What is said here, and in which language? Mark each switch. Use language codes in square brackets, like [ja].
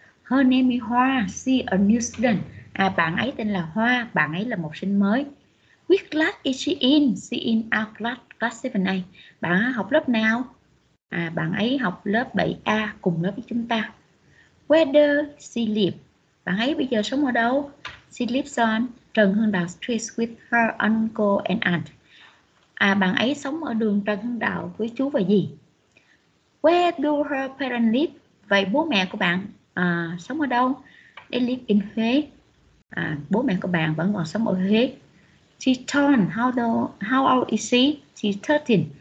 [en] Her name is Hoa. She's a new student. [vi] À, bạn ấy tên là Hoa. Bạn ấy là một sinh mới. [en] Which class is she in? She's in our class, class 7A. [vi] Bạn học lớp nào? À, bạn ấy học lớp 7A cùng lớp với chúng ta. [en] Where does she live? [vi] Bạn ấy bây giờ sống ở đâu? [en] She lives on Trần Hưng Đạo Street with her uncle and aunt. [vi] À, bạn ấy sống ở đường Trần Hưng Đạo với chú và dì. [en] Where do her parents live? [vi] Vậy bố mẹ của bạn sống ở đâu? [en] They live in Huế. [vi] À, bố mẹ của bạn vẫn còn sống ở Huế. [en] She's 13. How old is she? She's 13.